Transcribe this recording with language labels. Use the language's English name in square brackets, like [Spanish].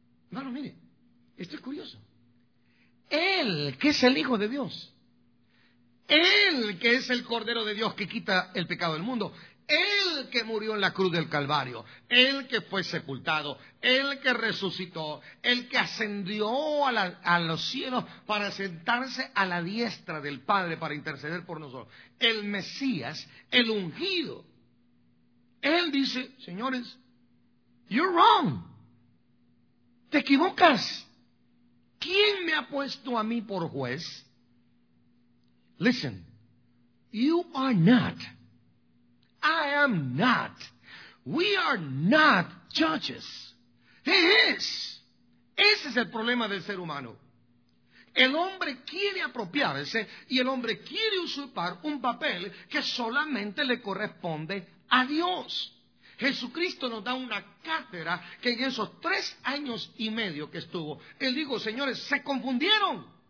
[Spanish] Bueno, mire, esto es curioso. Él, que es el Hijo de Dios, él, que es el Cordero de Dios que quita el pecado del mundo, él que murió en la cruz del Calvario, él que fue sepultado, él que resucitó, él que ascendió a los cielos para sentarse a la diestra del Padre para interceder por nosotros, el Mesías, el ungido. Él dice: señores, [English] you're wrong, [Spanish] te equivocas. ¿Quién me ha puesto a mí por juez? [English] Listen, you are not, I am not, we are not judges. He is. [Spanish] Ese es el problema del ser humano. El hombre quiere apropiarse y el hombre quiere usurpar un papel que solamente le corresponde a Dios. Jesucristo nos da una cátedra que en esos 3 años y medio que estuvo, él dijo: señores, se confundieron.